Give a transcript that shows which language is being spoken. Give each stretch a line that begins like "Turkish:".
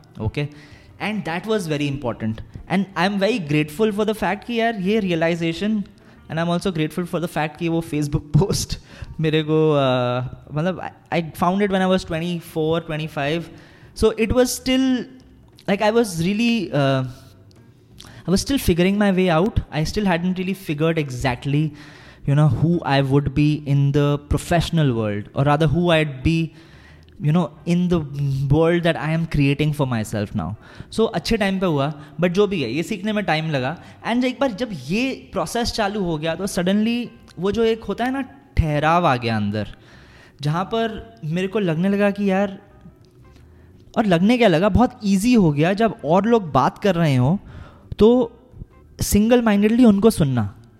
English: okay, and that was very important, and I am very grateful for the fact
Hindi: कि यार ये
English: realization, and I am also grateful for the fact कि वो Facebook post
Hindi: मेरे को मतलब
English: I found it when I was 24, 25, so it was still like I was really I was still figuring my way out. I still hadn't really figured exactly, you know, who I would be in the professional world, or rather who I'd be, you know, in the world that I am creating for myself now.
Hindi: So अच्छे time पर हुआ,
English: but
Hindi: जो भी है ये सीखने में time लगा,
English: and
Hindi: एक बार जब ये process चालू हो गया तो
English: suddenly
Hindi: वो जो एक होता है ना ठहराव आ गया अंदर, जहाँ पर मेरे को लगने लगा कि यार, और लगने क्या लगा, बहुत easy हो गया जब और लोग बात कर रहे हो तो
English: single mindedly
Hindi: उनको सुनना।